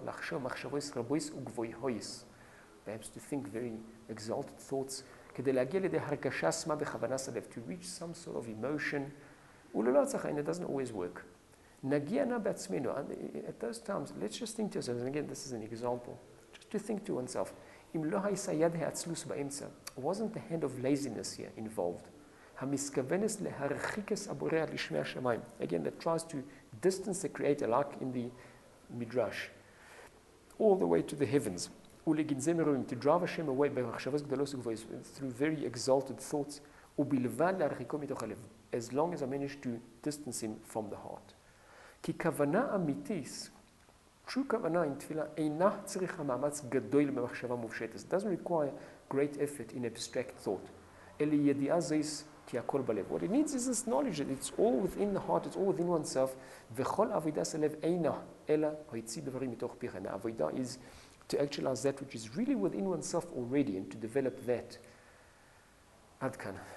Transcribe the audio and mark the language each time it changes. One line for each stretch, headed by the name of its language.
Hebrew: לחשוב מחשבויס רבויס וגבויהויס.
English: Perhaps to think very exalted thoughts.
Hebrew: כדי להגיע לידי הרגשה עצמה וכוונה סלב.
English: To reach some sort of emotion.
Hebrew: וללא הצלחה,
English: and it doesn't always work.
Hebrew: נגיע נא בעצמנו.
English: At those times, let's just think to yourself. And again, this is an example. Just to think to oneself.
Hebrew: אם לא היסה יד העצלוס באמצע,
English: wasn't the hand of laziness here involved?
Hebrew: המסכוונס להרחיקס הבורא עד לשמי השמיים.
English: Again, that tries to distance the creator like in the midrash. All the way to the heavens.
Hebrew: ולגנזי מרובים,
English: to drive השם away
Hebrew: במחשבות גדולות וגבוהות,
English: through very exalted thoughts,
Hebrew: ובלבד להרחיקו מתוך הלב,
English: as long as I manage to distance him from the heart.
Hebrew: כי כוונה אמיתית,
English: true
Hebrew: כוונה עם תפילה, אינה צריכה מאמץ גדול במחשבה מופשטת.
English: It doesn't require great effort in abstract thought.
Hebrew: אלי ידיעה זייס, כי הכל בלב.
English: What it needs is this knowledge that it's all within the heart, it's all within oneself.
Hebrew: וכל עבודה של לב אינה, אלא היציא דברים מתוך פיך.
English: And עבודה is to actualize that which is really within oneself already and to develop that.
Hebrew: עד כאן.